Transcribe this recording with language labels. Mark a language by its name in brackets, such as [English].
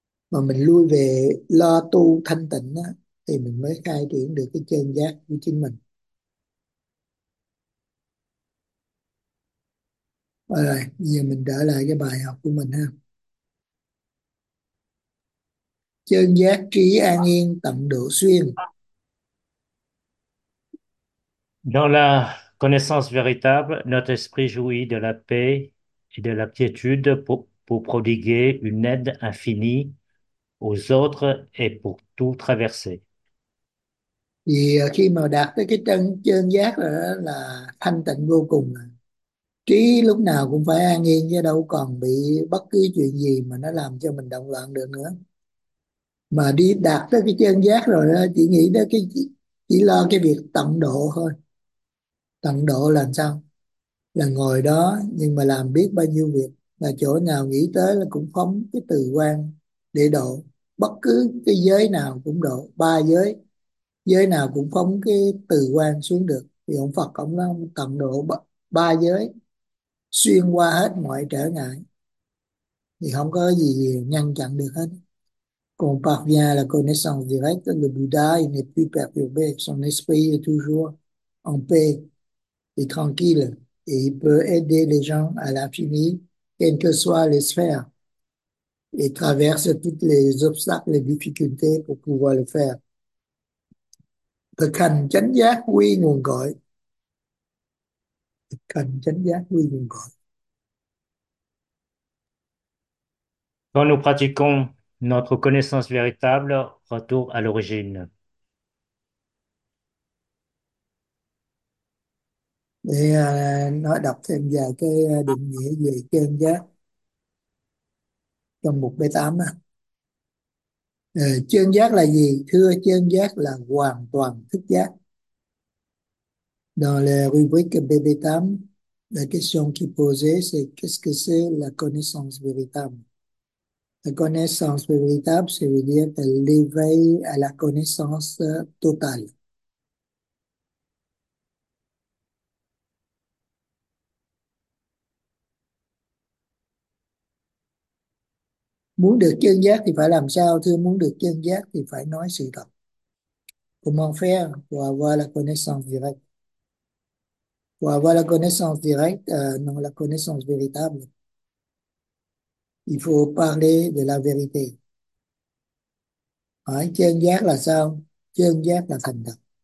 [Vietnamese] Mà mình lui về lo tu thanh tịnh á, thì mình mới khai triển được cái chân giác của chính mình. Rồi, bây giờ mình trở lại cái bài học của mình ha. Chân giác trí an yên tận độ xuyên. [French] Dans la connaissance véritable, notre esprit jouit de la paix et de la quiétude pour prodiguer une aide infinie aux autres et pour tout traverser. [Vietnamese] Vì khi mà đạt tới cái chân giác rồi đó là thanh tịnh vô cùng, trí lúc nào cũng phải an yên chứ đâu còn bị bất cứ chuyện gì mà nó làm cho mình động loạn được nữa. Mà đi đạt tới cái chân giác rồi đó, chỉ nghĩ tới cái chỉ lo cái việc tận độ thôi. Tận độ là sao? Là ngồi đó nhưng mà làm biết bao nhiêu việc, là chỗ nào nghĩ tới là cũng phóng cái từ quan để độ, bất cứ cái giới nào cũng độ, ba giới giới nào cũng phóng cái từ quan xuống được. Thì ông Phật ông nói tận độ ba giới xuyên qua hết mọi trở ngại thì không có gì ngăn chặn được hết. Còn Phật gia là [French] connaissance directe, le Buddha, il n'est plus perturbé, son esprit est toujours en paix et tranquille, et il peut aider les gens à l'infini, quelles que soient les sphères, et traverse toutes les obstacles, les difficultés pour pouvoir le faire. [Vietnamese] Thực hành chánh giác quy nguồn cội. Thực hành chánh giác quy nguồn cội. [French] Quand nous pratiquons notre connaissance véritable, retour à l'origine. [Vietnamese] Để nói đọc thêm vài cái định nghĩa về chân giác trong mục B8 á. Chân giác là gì? Thưa, chân giác là hoàn toàn thức giác. [French] Dans la rubrique BB8, la question qui est posée, c'est qu'est-ce que c'est la connaissance véritable? La connaissance véritable, ça veut dire l'éveil à la connaissance totale. [Vietnamese] Muốn được chân giác thì phải làm sao? Thưa, muốn được chân giác thì phải nói sự thật. [French] Comment faire pour avoir la connaissance directe? Pour avoir la connaissance directe, non, la connaissance véritable, il faut parler de la vérité. [Vietnamese] Hỏi chân giác là sao? Chân giác là thành thật.